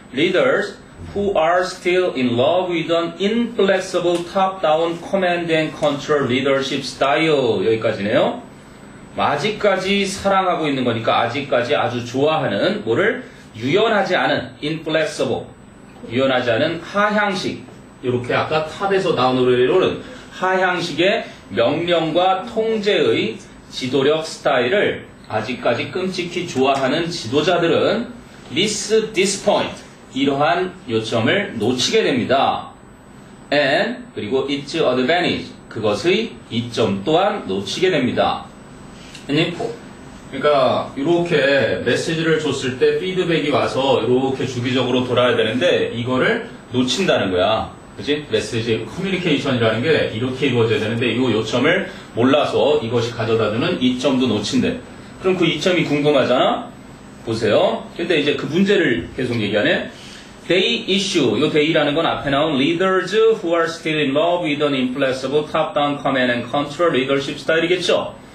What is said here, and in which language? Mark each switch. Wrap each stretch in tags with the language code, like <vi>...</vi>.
<en>leaders who are still in love with an inflexible top-down command and control leadership style.</en> <ko>여기까지네요. 아직까지 사랑하고 있는 거니까 아직까지 아주 좋아하는 뭐를 유연하지 않은 inflexible 유연하지 않은 하향식 이렇게 아까 탑에서 나온 노래로는 하향식의 명령과 통제의 지도력 스타일을 아직까지 끔찍히 좋아하는 지도자들은</ko> <en>miss this point,</en> <ko>이러한 요점을 놓치게 됩니다.</ko> <en>And</en> <ko>그리고</ko> <en>its advantage,</en> <ko>그것의 이점 또한 놓치게 됩니다. 그러니까 이렇게 메시지를 줬을 때 피드백이 와서 이렇게 주기적으로 돌아야 되는데 이거를 놓친다는 거야. 그치? 메시지 커뮤니케이션이라는 게 이렇게 이루어져야 되는데 이 요점을 몰라서 이것이 가져다주는 이점도 놓친대. 그럼 그 이점이 궁금하잖아? 보세요. 근데 이제 그 문제를 계속 얘기하네.</ko> <en>They issue,</en> <ko>요 they라는 건 앞에 나온</ko> <en>leaders who are still in love with an inflexible top-down command and control leadership style이겠죠?</en>